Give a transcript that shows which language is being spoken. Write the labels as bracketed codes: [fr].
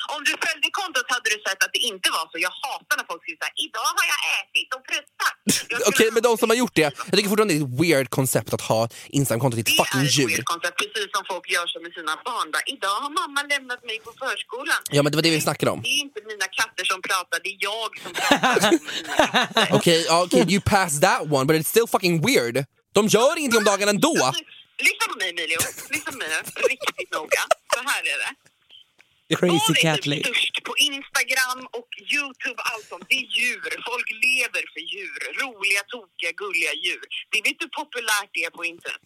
[sv] om du följde kontot hade du sett att det inte var så. Jag hatar när folk skriver såhär, idag har jag ätit och pruttat. Okej, men de som har gjort det, jag tycker fortfarande det är ett weird koncept att ha Instagram-kontot i ett fucking djur. Det är ett weird koncept, precis som folk gör så med sina barn. Bara, idag har mamma lämnat mig på förskolan. Ja, men det var det vi snackade om. Det är inte mina katter som pratar, det är jag som pratar. [en] Okej, okay, you pass that one, but it's still fucking weird. [sv] De gör ingenting om dagen ändå. Lyssna på mig, Emilio. Lyssna på mig, riktigt noga. Så här är det. [en] Crazy cat lady. [sv] Vad är det på Instagram och YouTube? Allt om det är djur. Folk lever för djur. Roliga, tokiga, gulliga djur. Det vet du populärt det är på internet.